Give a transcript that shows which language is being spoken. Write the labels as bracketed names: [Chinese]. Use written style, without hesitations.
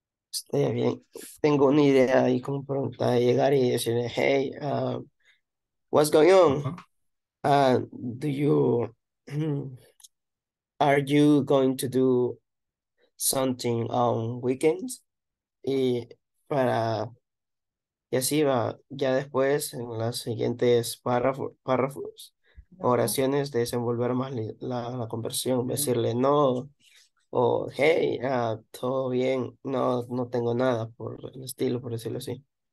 [Spanish] Estoy bien, tengo una idea y como pregunta llegar y decirle, [English] hey, what's going on? Uh-huh. Are you going to do something on weekends? [Spanish] Y para, y así va, ya después en las siguientes párrafos, oraciones, de desenvolver más la conversación, decirle no, o hey, todo bien, no tengo nada, por el estilo, por decirlo así.